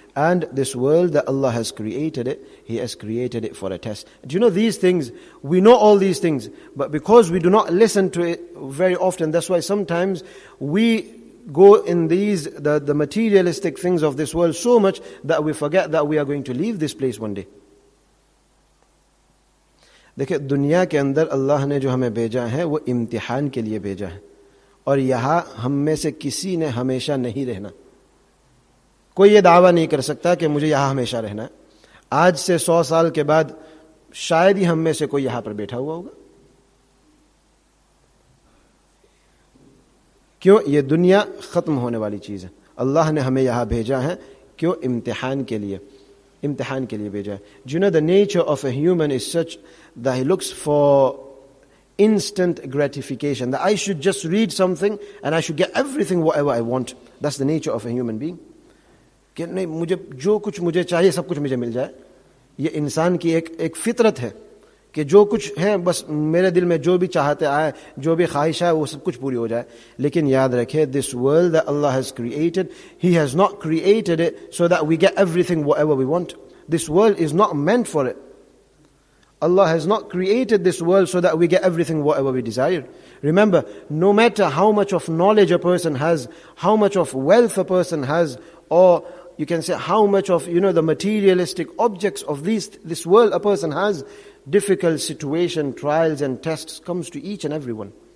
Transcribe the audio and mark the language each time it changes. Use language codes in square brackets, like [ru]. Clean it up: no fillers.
[en] And this world that Allah has created it, He has created it for a test. Do you know these things? We know all these things, but because we do not listen to it very often, that's why sometimes we go in these the materialistic things of this world so much that we forget that we are going to leave this place one day. [ur] دیکھیں دنیا کے اندر اللہ نے جو ہمیں بھیجا ہے وہ امتحان کے لیے بھیجا ہے اور یہاں ہم میں سے کسی نے ہمیشہ نہیں رہنا کوئی یہ دعویٰ نہیں کر سکتا کہ مجھے یہاں ہمیشہ رہنا ہے آج سے 100 سال کے بعد شاید ہی ہم میں سے کوئی یہاں پر بیٹھا ہوا ہوگا کیوں یہ دنیا ختم ہونے والی چیز ہے اللہ نے ہمیں یہاں بھیجا ہے کیوں امتحان کے لیے بھیجا ہے [en] Do you know the nature of a human is such that he looks for instant gratification, that I should just read something and I should get everything whatever I want. That's the nature of a human being. [ur] کہ نہیں مجھے جو کچھ مجھے چاہیے سب کچھ مجھے مل جائے یہ انسان کی ایک فطرت ہے کہ جو کچھ ہے بس میرے دل میں جو بھی چاہتے آئے جو بھی خواہش آئے وہ سب کچھ پوری ہو جائے لیکن یاد رکھے [en] this world that Allah has created, He has not created it so that we get everything whatever we want. This world is not meant for it. Allah has not created this world so that we get everything whatever we desire. Remember, no matter how much of knowledge a person has, how much of wealth a person has, or you can say how much of, you know, the materialistic objects of this world a person has, difficult situation, trials and tests comes to each and everyone.